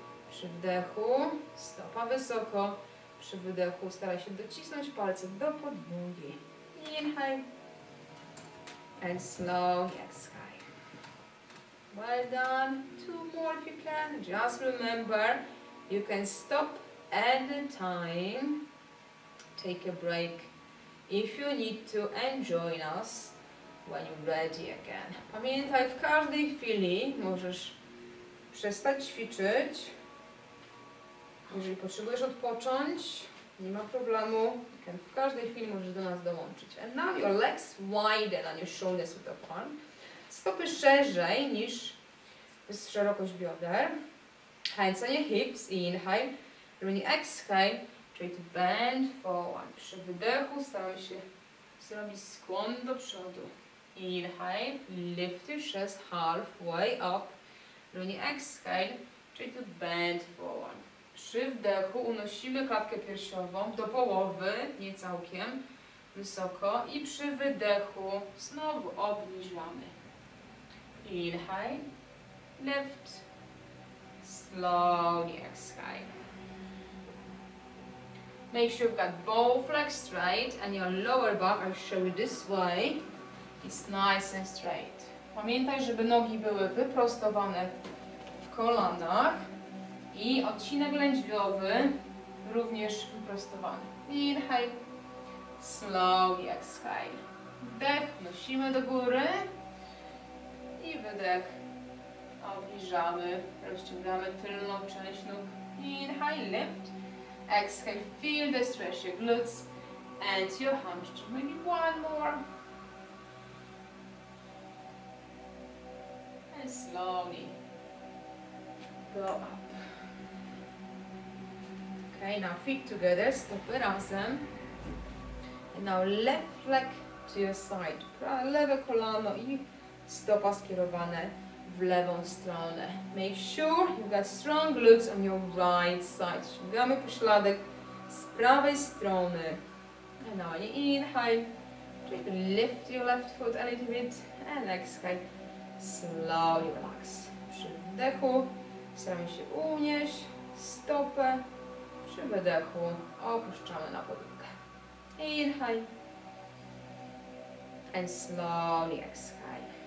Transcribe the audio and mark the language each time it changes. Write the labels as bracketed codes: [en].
[pl] Przy wdechu stopa wysoko, przy wydechu staraj się docisnąć palce do podłogi. [en] Inhale, and slowly exhale. Well done, two more if you can, just remember, you can stop anytime, take a break. If you need to, and join us when you're ready again. [pl] Pamiętaj, w każdej chwili możesz przestać ćwiczyć. Jeżeli potrzebujesz odpocząć, nie ma problemu. W każdej chwili możesz do nas dołączyć. [en] And now your legs widen on your shoulders width apart. [pl] Stopy szerzej niż szerokość bioder. [en] Hands on your hips, inhale. When you exhale, try to bend forward. [pl] Przy wydechu staraj się zrobić skłon do przodu. [en] Inhale, lift your chest halfway up. When you exhale, try to bend forward. [pl] Przy wdechu unosimy klatkę piersiową do połowy, nie całkiem wysoko. I przy wydechu znowu obniżamy. [en] Inhale, lift, slowly exhale. Make sure you've got both legs straight and your lower back, I'll show you this way, it's nice and straight. [pl] Pamiętaj, żeby nogi były wyprostowane w kolanach i odcinek lędźwiowy również wyprostowany. [en] Inhale, slowly exhale. [pl] Wdech nosimy do góry i wydech obniżamy, rozciągamy tylną część nóg. [en] Inhale, lift. Exhale, feel the stretch, your glutes and your hamstrings. Maybe one more. And slowly go up. Okay, now feet together, [pl] stopy razem. [en] And now left leg to your side. [pl] Lewe kolano i stopa skierowane w lewą stronę. [en] Make sure you've got strong glutes on your right side. [pl] Ściągamy pośladek z prawej strony. [en] And now you inhale, lift your left foot a little bit. And exhale, slowly relax. [pl] Przy wdechu staramy się unieść stopę. Przy wydechu opuszczamy na podłogę. [en] Inhale. And slowly exhale.